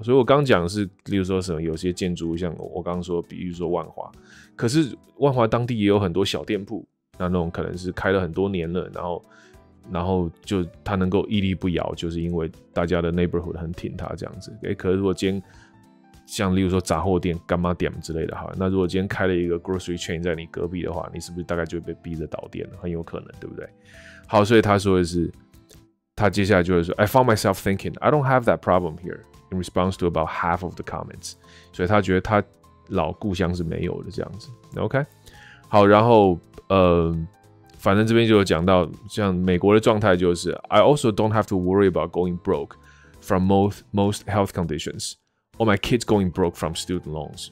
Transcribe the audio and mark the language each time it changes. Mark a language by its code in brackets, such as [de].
[zh] 所以我刚讲的是，例如说什么有些建筑，像我刚刚说，比喻说万华，可是万华当地也有很多小店铺，那种可能是开了很多年了，然后就他能够屹立不摇，就是因为大家的 neighborhood 很挺他这样子。欸、可是如果今天像例如说杂货店、干妈店之类的哈，那如果今天开了一个 grocery chain 在你隔壁的话，你是不是大概就会被逼着倒店了？很有可能，对不对？好，所以他说的是，他接下来就会说 [en] ，I found myself thinking I don't have that problem here in response to about half of the comments。 [zh] 所以他觉得他老故乡是没有的这样子。 [en] OK， [zh] 好，然后反正这边就有讲到，像美国的状态就是 [en] ，I also don't have to worry about going broke from most health conditions。 Oh, my kids going broke from student loans.